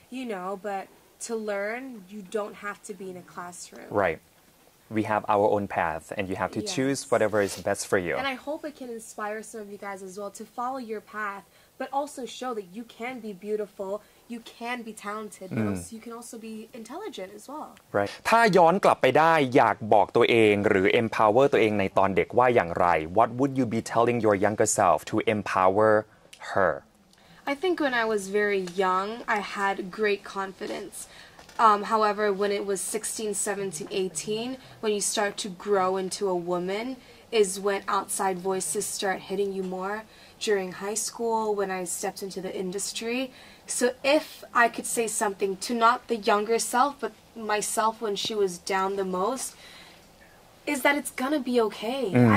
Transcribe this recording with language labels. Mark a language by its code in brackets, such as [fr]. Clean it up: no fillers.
[en] You know, but to learn, you don't have to be in a classroom. Right. We have our own path, and you have to choose whatever is best for you. And I hope it can inspire some of you guys as well to follow your path, but also show that you can be beautiful, you can be talented, but also you can also be intelligent as well. Right. [th] ถ้าย้อนกลับไปได้อยากบอกตัวเองหรือ empower ตัวเองในตอนเด็กว่าอย่างไร [en] What would you be telling your younger self to empower her? I think when I was very young, I had great confidence. However, when it was 16, 17, 18, when you start to grow into a woman, is when outside voices start hitting you more. During high school, when I stepped into the industry. So if I could say something to not the younger self, but myself when she was down the most, is that it's gonna be okay.